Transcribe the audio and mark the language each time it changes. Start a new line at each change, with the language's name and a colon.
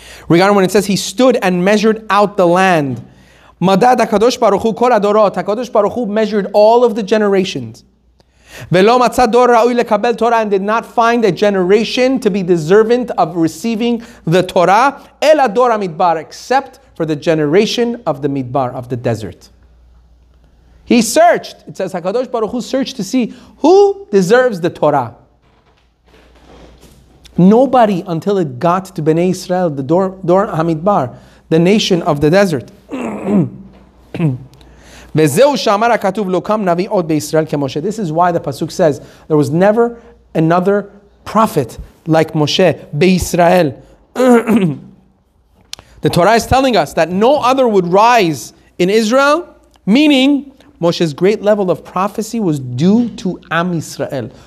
English: Regarding when it says, he stood and measured out the land.
Hebrew: מדד הקדוש ברוך הוא כל הדורות, הקדוש ברוך הוא
English: measured all of the generations.
Hebrew: ולא מצא דור ראוי לקבל תורה,
English: and did not find a generation to be deserving of receiving the Torah,
Hebrew: אלא דור המדבר,
English: except for the generation of the midbar, of the desert. He searched, it says HaKadosh Baruch Hu searched to see who deserves the Torah. Nobody until it got to Bnei Israel, the Dor HaMidbar, the nation of the desert.
Hebrew: וזהו שאמר הכתוב לא קם נביא עוד בישראל כמשה.
English: This is why the Pasuk says, there was never another prophet like Moshe, בישראל. The Torah is telling us that no other would rise in Israel, meaning Moshe's great level of prophecy was due to Am Yisrael.